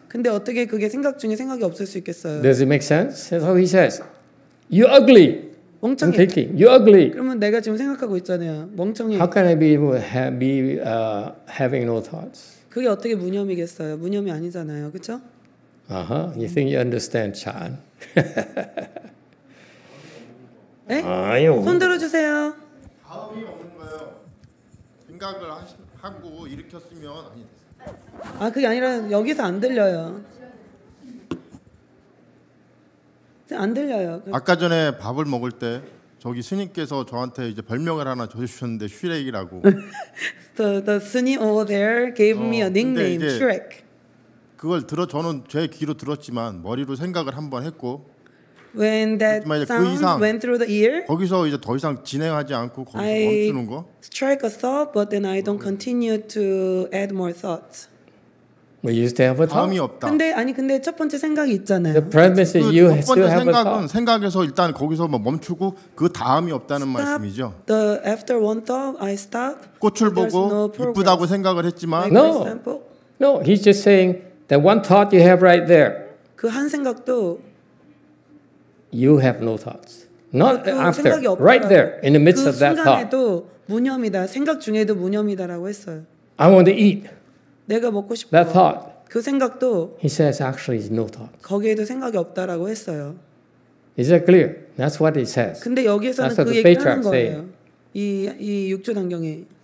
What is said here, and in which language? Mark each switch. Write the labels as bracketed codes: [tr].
[ko] 근데 어떻게 그게 생각 중에 생각이 없을 수 있겠어요? [en] Does it make sense? So he says, you're ugly! [ko] 멍청해. [en] I'm thinking. You're ugly. [ko] 그러면 내가 지금 생각하고 있잖아요. 멍청해. [en] How can I be able to be having no thoughts? [ko] 그게 어떻게 무념이겠어요? 무념이 아니잖아요. 그렇죠? [en] Uh-huh. You think you understand, Chan? [ko] 에? 아유. 손 들어주세요. 다음이 없는 거예요. 생각을 하고 일으켰으면 아니 아, 그게 아니라 여기서 안 들려요. 안 들려요. 아까 전에 밥을 먹을 때 저기 스님께서 저한테 이제 별명을 하나 줘주셨는데 슈렉이라고. [en] the 스님 over there gave me a nickname, Shrek. [ko] 그걸 들어 저는 제 귀로 들었지만 머리로 생각을 한번 했고. [en] When that sound [ko] 그 이상, [en] went through the ear. [ko] 거기서 이제 더 이상 진행하지 않고 거기서 [en] I [ko] 멈추는 거. [en] I strike a thought, but then I don't continue to add more thoughts. We used to have a thought. [ko] 다음이 없다. 근데 아니 근데 첫 번째 생각이 있잖아요. [en] The premise is you still have a thought. [ko] 첫 번째 생각은 생각에서 일단 거기서 뭐 멈추고 그 다음이 없다는 [en] stop [ko] 말씀이죠. [en] The after one thought, I stop. [ko] 꽃을 보고 이쁘다고 생각을 했지만. [en] No, no. He's just saying that one thought you have right there. [ko] 그 한 생각도. [en] You have no thoughts. Not [ko] 그 [en] after. Right there, in the midst of that thought. [ko] 그 순간에도 무념이다. 생각 중에도 무념이다라고 했어요. [en] I want to eat. [ko] 내가 먹고 싶어. [en] That thought. [ko] 그 생각도. [en] He says actually is no thought. [ko] 거기에도 생각이 없다라고 했어요. [en] Is that clear? That's what he says. [ko] 근데 여기에서는 그 얘기를 하는 거예요. 이 육조 단경에.